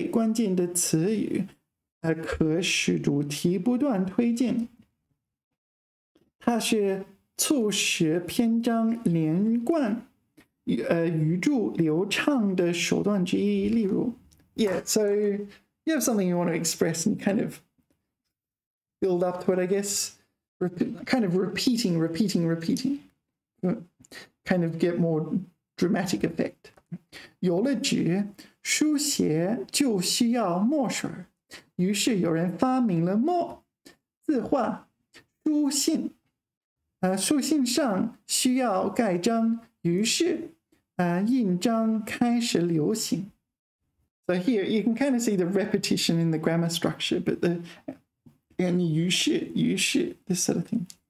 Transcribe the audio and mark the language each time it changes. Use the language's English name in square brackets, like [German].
[Chinese] 重复关键词在语篇中起着十分重要的作用，在交际角度讲，重复关键词可以突出某一和某些信息。从篇章结构角度讲，不断重复出现最关键的词语。可使主题不断推进，它是促使篇章连贯、语助流畅的手段之一。例如，Yeah, [English] so you have something you want to express, and you kind of build up to it, I guess. Kind of repeating, repeating, repeating, kind of get more dramatic effect. [Chinese] 有了纸，书写就需要墨水。于是有人发明了墨字画书信，书信上需要盖章，于是印章开始流行。So [English] here you can kind of see the repetition in the grammar structure, but the and 于是 this sort of thing.